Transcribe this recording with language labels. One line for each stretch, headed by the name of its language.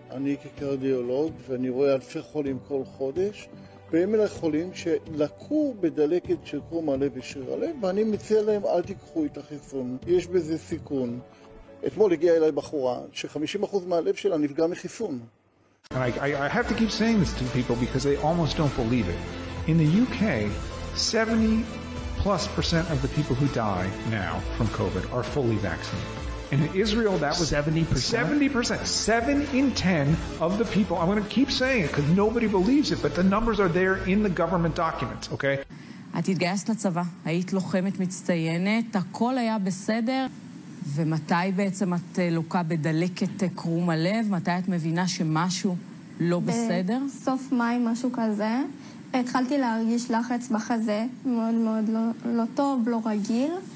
Hebrew: אני כקרדיולוג, ואני רואה אלפי חולים כל חודש, והם אלה חולים שלקו בדלקת של קרום הלב ושריר הלב, ואני מציע להם, אל תיקחו את החיסון, יש בזה סיכון. אתמול הגיעה אליי בחורה ש-50% מהלב שלה נפגע מחיסון.
English: I have to keep saying this to people because they almost don't believe it. In the UK, 70%+ of the people who die now from COVID are fully vaccinated. And in Israel, that was 70%. 70%. 7 in 10 of the people. I'm going to keep saying it because nobody believes it, but the numbers are there in the government documents, okay?
Hebrew: את התגייסת לצבא, היית לוחמת מצטיינת, הכל היה בסדר. ומתי בעצם את לוקה בדלקת קרום הלב? מתי את מבינה שמשהו לא בסדר? בסוף מאי, משהו כזה. התחלתי להרגיש לחץ בחזה, מאוד מאוד לא טוב, לא רגיל.